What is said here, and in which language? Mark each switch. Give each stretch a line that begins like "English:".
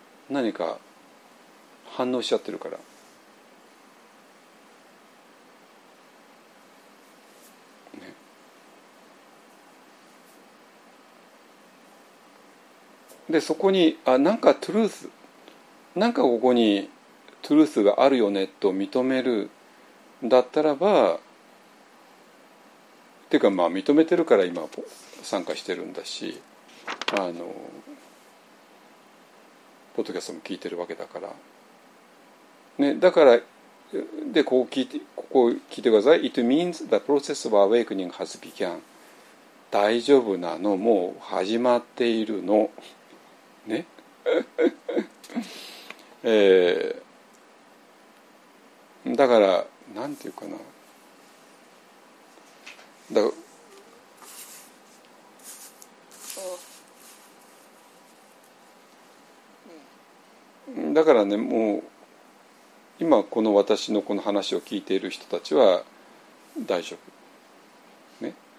Japanese: 何か反応しちゃってるから、でそこに、あ、なんかトゥルース、なんかここにトゥルースがあるよねと認めるだったらば、っていうかまあ認めてるから今参加してるんだし、あのポッドキャストも聞いてるわけだからね、だからでこう聞いて、ここ聞いてください。
English: It means the process of awakening has begun。
Japanese: 大丈夫なの、もう始まっているのね。だからなんていうかな、だから、だからね、もう今この私のこの話を聞いている人たちは大丈夫ね。